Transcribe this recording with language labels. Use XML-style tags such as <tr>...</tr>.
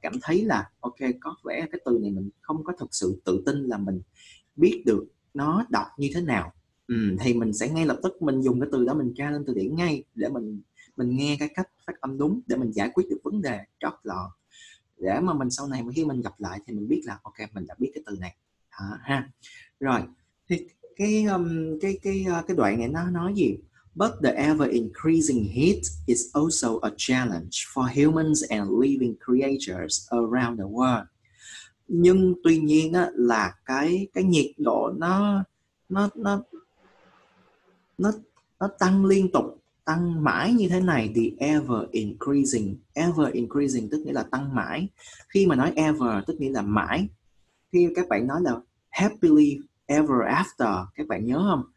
<vi>cảm thấy là ok, có vẻ cái từ này mình không có thực sự tự tin là mình biết được nó đọc như thế nào, thì mình sẽ ngay lập tức mình dùng cái từ đó, mình tra lên từ điển ngay để mình nghe cái cách phát âm đúng, để mình giải quyết được vấn đề chót lọt, để mà mình sau này khi mình gặp lại thì mình biết là ok, mình đã biết cái từ này đó, ha. Rồi thì cái đoạn này nó nói gì?</vi> <en>But the ever increasing heat is also a challenge for humans and living creatures around the world.</en> <vi>Nhưng tuy nhiên á, là cái nhiệt độ nó tăng liên tục, tăng mãi như thế này,</vi> <en>the ever increasing</en> <vi>tức nghĩa là tăng mãi. Khi mà nói ever tức nghĩa là mãi. Khi các bạn nói là</vi> <en>happily ever after,</en> <vi>các bạn nhớ không?</vi>